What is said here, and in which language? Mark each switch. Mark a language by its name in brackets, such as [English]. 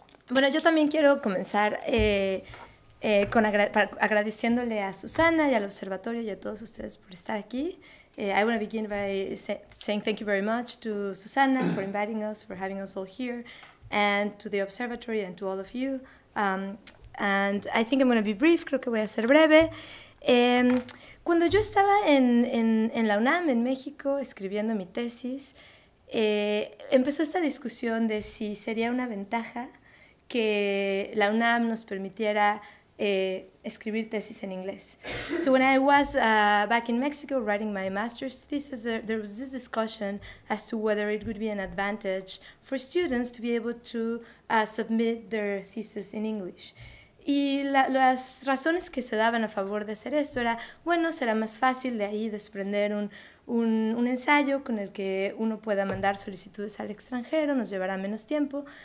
[Spanish] Bueno, yo también quiero comenzar agradeciéndole a Susana y al Observatorio y a todos ustedes por estar aquí. [English] I want to begin by saying thank you very much to Susana for inviting us, for having us all here, and to the Observatory and to all of you. And I think I'm going to be brief, [Spanish] creo que voy a ser breve. Cuando yo estaba en la UNAM, en México, escribiendo mi tesis, empezó esta discusión de si sería una ventaja que la UNAM nos permitiera escribir tesis en inglés. [English] So when I was back in Mexico writing my master's thesis, there was this discussion as to whether it would be an advantage for students to be able to submit their thesis in English. [Spanish] Y las razones que se daban a favor de hacer esto era, bueno, será más fácil de ahí desprender un ensayo con el que uno pueda mandar solicitudes al extranjero, nos llevará menos tiempo.